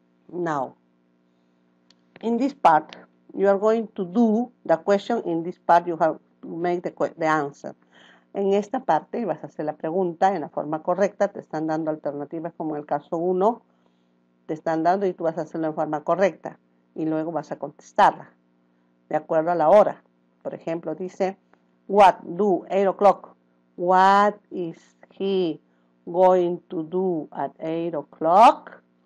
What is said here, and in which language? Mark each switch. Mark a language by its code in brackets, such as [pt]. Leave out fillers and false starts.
[en] Now, in this part, you are going to do the question. In this part, you have to make the answer. [es] En esta parte, vas a hacer la pregunta en la forma correcta. Te están dando alternativas, como en el caso 1. Te están dando y tú vas a hacerlo en forma correcta. Y luego vas a contestarla, de acuerdo a la hora. Por ejemplo, dice, [en] what do 8 o'clock? What is he going to do at 8 o'clock?